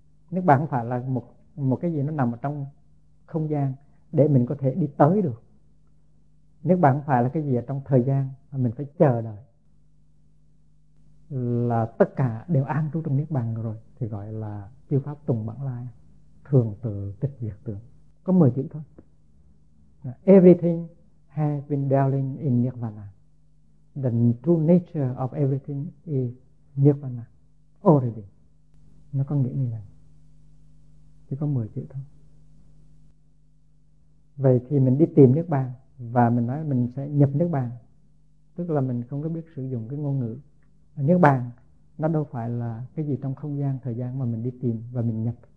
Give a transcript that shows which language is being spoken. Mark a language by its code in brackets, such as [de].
[vi] Niết Bàn không phải là một cái gì nó nằm ở trong không gian để mình có thể đi tới được. Niết Bàn không phải là cái gì ở trong thời gian mà mình phải chờ đợi. Là tất cả đều an trú trong Niết Bàn rồi thì gọi là chư pháp tùng bản lai, thường từ tịch diệt tướng, có 10 chữ thôi. [en] Everything has been dwelling in Nirvana, the true nature of everything is Nirvana already. [vi] Nó có nghĩa như vậy, chỉ có 10 chữ thôi. Vậy thì mình đi tìm Niết Bàn và mình nói mình sẽ nhập Niết Bàn, tức là mình không có biết sử dụng cái ngôn ngữ Niết Bàn. Nó đâu phải là cái gì trong không gian, thời gian mà mình đi tìm và mình nhập.